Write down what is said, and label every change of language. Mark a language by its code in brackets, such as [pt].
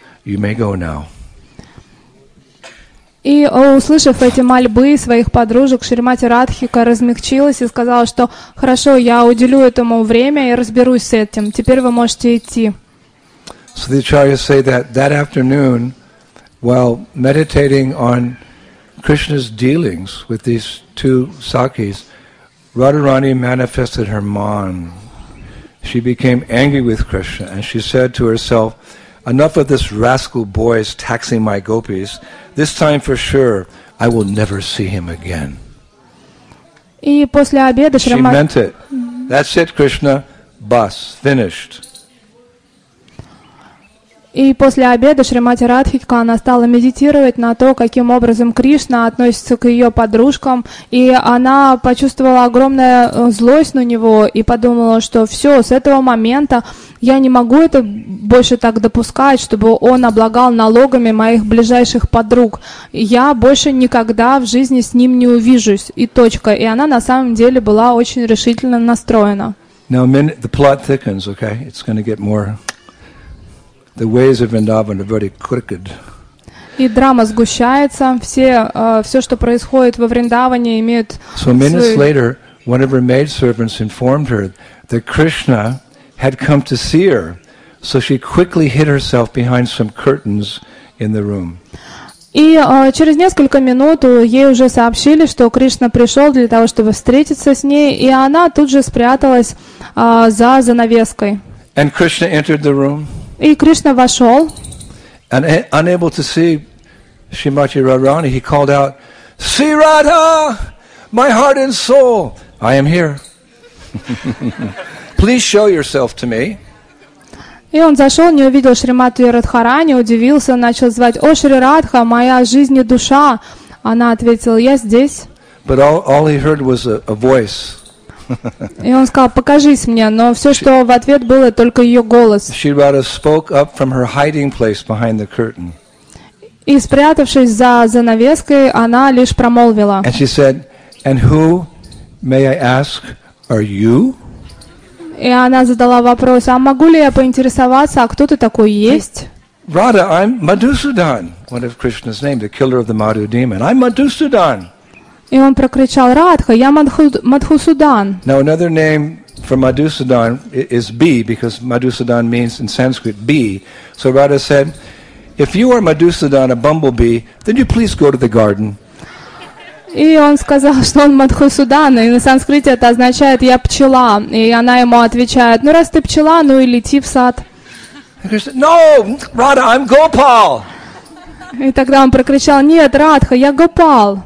[en] You may go now. [ru] И, услышав эти мольбы своих подружек, Шримати Радхика размягчилась и сказала, что «Хорошо, я уделю этому время и разберусь с этим. Теперь вы можете идти». [en] So the acharyas say that that afternoon, while meditating on Krishna's dealings with these two sakis, Radharani manifested her man. She became angry with Krishna, and she said to herself, Enough of this rascal boy's taxing my gopis. This time for sure, I will never see him again. [ru] И после обеда [en] she meant it. That's it, Krishna. Bus finished. [ru] И после обеда Шримати Радхика она стала медитировать на то, каким образом Кришна относится к ее подружкам, и она почувствовала огромную злость на него и подумала, что все, с этого момента я не могу это больше так допускать, чтобы он облагал налогами моих ближайших подруг. Я больше никогда в жизни с ним не увижусь. И точка. И она на самом деле была очень решительно настроена. [en] Now, the plot thickens, okay? It's going to get more. The ways of Vrindavan are very crooked. [ru] И драма сгущается. Все, что происходит во Вриндаване, имеет. [en] So minutes later, one of her maidservants informed her that Krishna had come to see her, so she quickly hid herself behind some curtains in the room. [ru] И через несколько минут ей уже сообщили, что Кришна пришел для того, чтобы встретиться с ней, и она тут же спряталась за занавеской. [en] And Krishna entered the room. [ru] И Кришна вошел. [en] And unable to see Srimati Radharani, he called out, Sri Radha, my heart and soul, I am here. Please show yourself to me. [ru] И он зашел, не увидел Шримати Радхарани, удивился, начал звать, О, Шри Радха, моя жизнь и душа. Она ответила, я здесь. [en] But all he heard was a voice. [ru] И он сказал, покажись мне, но все, что в ответ было, только ее голос. [en] Shri Radha spoke up from her hiding place behind the curtain. [ru] И спрятавшись за занавеской, она лишь промолвила. [en] And she said, and who, may I ask, are you? [ru] И она задала вопрос: а могу ли я поинтересоваться, а кто ты такой есть? [en] Radha, I'm Madhusudan, one of Krishna's names, the killer of the Madhu demon. I'm Madhusudan. [ru] И он прокричал: Радха, я Мадхусудан. [en] Now another name for Madhusudan is bee, because Madhusudan means in Sanskrit bee. So Radha said, if you are Madhusudan, a bumblebee, then you please go to the garden. [ru] И он сказал, что он Мадхусудан, и на санскрите это означает «я пчела». И она ему отвечает: ну раз ты пчела, ну и лети в сад. [en] No, Radha, I'm Gopal. [ru] И тогда он прокричал: нет, Радха, я Гопал.